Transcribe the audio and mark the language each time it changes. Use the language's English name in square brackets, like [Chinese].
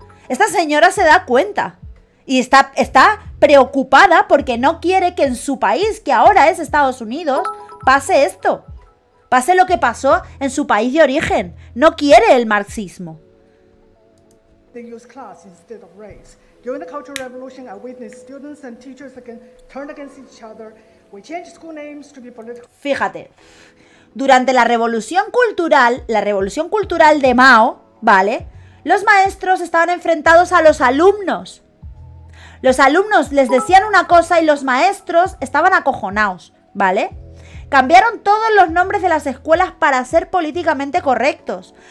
[Spanish] Esta señora se da cuenta y está preocupada porque no quiere que en su país, que ahora es Estados Unidos, pase esto. Pase lo que pasó en su país de origen. No quiere el marxismo. [English] They use class instead of race. During the Cultural Revolution, I witnessed students and teachers again turn against each other. We change school names to be political. [Spanish] Fíjate. Durante la revolución cultural de Mao, ¿vale? Los maestros estaban enfrentados a los alumnos. Los alumnos les decían una cosa y los maestros estaban acojonados, ¿vale? Cambiaron todos los nombres de las escuelas para ser políticamente correctos.